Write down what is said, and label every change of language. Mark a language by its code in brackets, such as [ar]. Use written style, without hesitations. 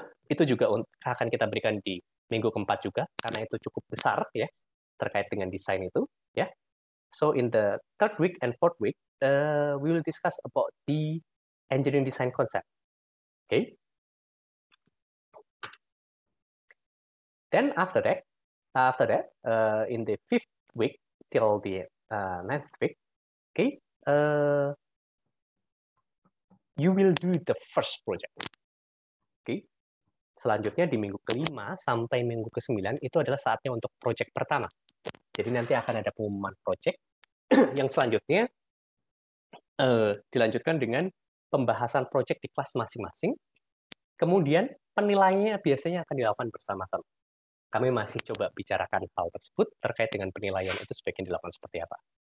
[id] Itu juga akan kita berikan di minggu keempat juga, karena itu cukup besar ya terkait dengan desain itu ya. [en] So in the third week and fourth week, we will discuss about the engineering design concept. Okay. Then after that, in the fifth week till the ninth week, okay, you will do the first project. Okay. [id] Selanjutnya di minggu kelima sampai minggu kesembilan itu adalah saatnya untuk project pertama. Jadi nanti akan ada pengumuman project yang selanjutnya dilanjutkan dengan pembahasan project di kelas masing-masing. Kemudian penilaiannya biasanya akan dilakukan bersama-sama. Kami masih coba bicarakan hal tersebut terkait dengan penilaian itu sebaiknya dilakukan seperti apa.